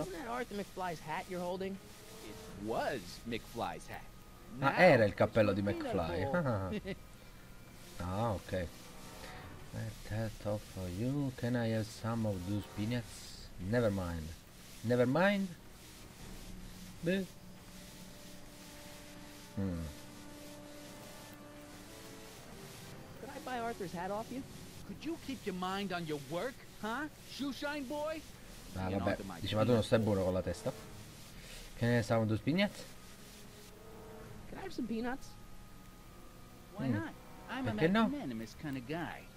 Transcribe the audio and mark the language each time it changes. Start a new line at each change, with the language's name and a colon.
English: Isn't that Arthur McFly's hat you're holding? It was McFly's hat.
Italian: Ah, era il cappello di McFly.
English: Ah, ok. That off for you. Can I have some of those peanuts? Never mind. Never mind. Could I buy Arthur's hat off you? Could you keep your mind on your work, huh? Shoeshine boy?
Italian: Ah, vabbè, dice, ma tu non stai buono con la testa.
English: Can I have some of those peanuts? Can I have some peanuts? Why not? I'm a magnanimous kind of guy.